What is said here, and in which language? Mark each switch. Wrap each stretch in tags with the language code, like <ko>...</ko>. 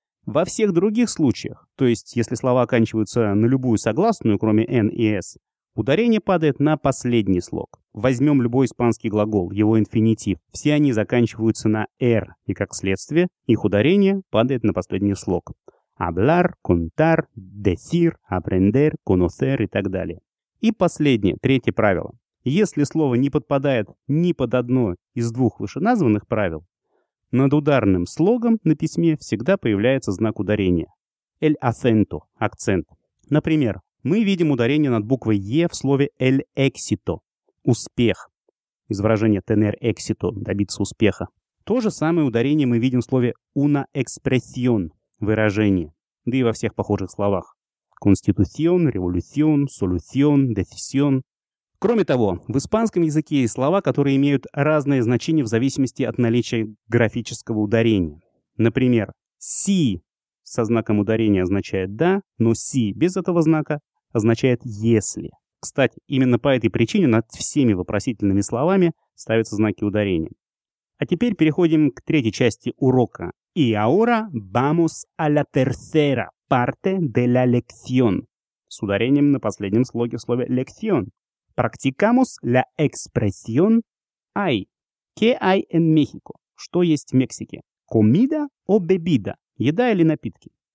<ru>Во всех других случаях, то есть если слова оканчиваются на любую согласную, кроме «н» и «с», ударение падает на последний слог. Возьмем любой испанский глагол, его инфинитив. Все они заканчиваются на «р», и как следствие их ударение падает на последний слог.</ru> <es>Hablar, contar, decir, aprender, conocer</es> <ru>и так далее. И последнее, третье правило. Если слово не подпадает ни под одно из двух вышеназванных правил, над ударным слогом на письме всегда появляется знак ударения.</ru> <es>El acento, акцент.</es> <ru>Например, мы видим ударение над буквой «е» в слове «el éxito» – «успех». Из выражения</ru> <es>«tener éxito»</es> <ru>– «добиться успеха». То же самое ударение мы видим в слове</ru> <es>«una expresión»</es> <ru>– «выражение». Да и во всех похожих словах.</ru> <es>«Constitución», «revolución», «solución», «decisión».</es> <ru>Кроме того, в испанском языке есть слова, которые имеют разное значение в зависимости от наличия графического ударения. Например, «си» со знаком ударения означает «да», но «си» без этого знака означает «если». Кстати, именно по этой причине над всеми вопросительными словами ставятся знаки ударения. А теперь переходим к третьей части урока.</ru> <es>«И ahora vamos a la tercera parte de la lección»</es> <ru>с ударением на последнем слоге в слове</ru> <es>«lección». Practicamos la expresión hay. ¿Qué hay en México?</es> <ru>Что есть в Мексике?</ru> <es>Comida o bebida?</es> <ru>Еда или напитки?</ru>